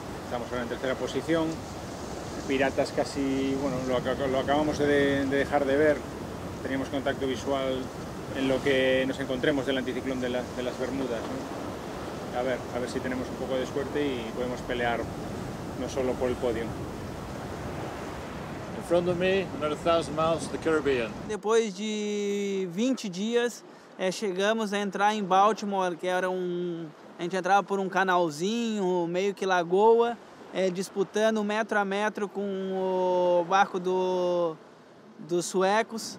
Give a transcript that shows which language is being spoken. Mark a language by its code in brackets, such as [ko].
[es] Estamos ahora en tercera posición. Piratas casi, bueno, lo acabamos de dejar de ver. Teníamos contacto visual en lo que nos encontremos del anticiclón de las Bermudas, ¿no? A ver si tenemos un poco de suerte y podemos pelear no solo por el podio. [en] In front of me, another 1,000 miles to the Caribbean. [pt] Depois de 20 dias, chegamos a entrar em Baltimore, que era a gente entrava por um canalzinho, meio que lagoa, disputando metro a metro com o barco dos suecos.